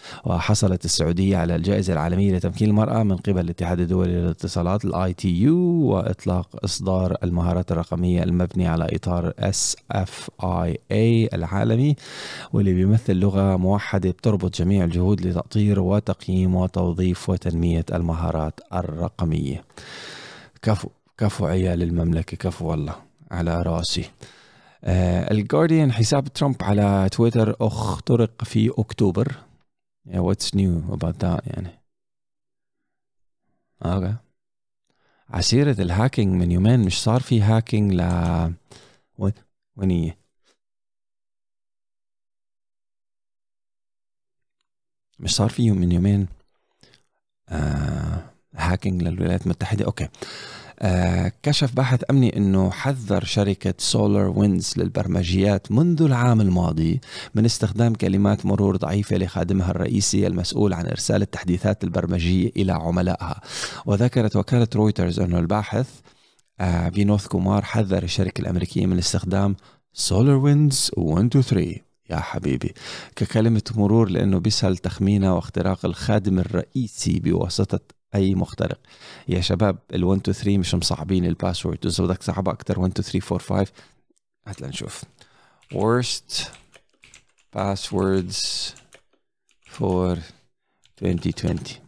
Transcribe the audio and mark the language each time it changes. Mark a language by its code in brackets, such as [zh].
[ar] وحصلت السعودية على الجائزة العالمية لتمكين المرأة من قبل الاتحاد الدولي للاتصالات ITU وإطلاق إصدار المهارات الرقمية المبني على إطار SFIA العالمي، واللي بيمثل لغة موحدة بتربط جميع الجهود لتأطير وتقييم وتوظيف وتنمية المهارات الرقمية. كفو كفو عيال المملكة، كفو والله على رأسي. الغارديان، حساب ترامب على تويتر اخترق في أكتوبر. [en] Yeah, what's new about that [ar] يعني. [en] Okay. [ar] عسيرة الهاكينج من يومين، مش صار في هاكينج ل ونية مش صار فيه من يومين هاكينج للولايات المتحدة. أوكي. كشف باحث أمني أنه حذر شركة سولار وينز للبرمجيات منذ العام الماضي من استخدام كلمات مرور ضعيفة لخادمها الرئيسي المسؤول عن إرسال التحديثات البرمجية إلى عملائها. وذكرت وكالة رويترز أنه الباحث بنوث كومار حذر الشركة الأمريكية من استخدام سولار وينز 123 يا حبيبي ككلمة مرور، لأنه بيسهل تخمينها واختراق الخادم الرئيسي بواسطة أي مخترق. يا شباب ال 123 مش مصعبين الباسورد، إذا بدك صعبة أكتر 12345. هات لنشوف [en] worst passwords for 2020.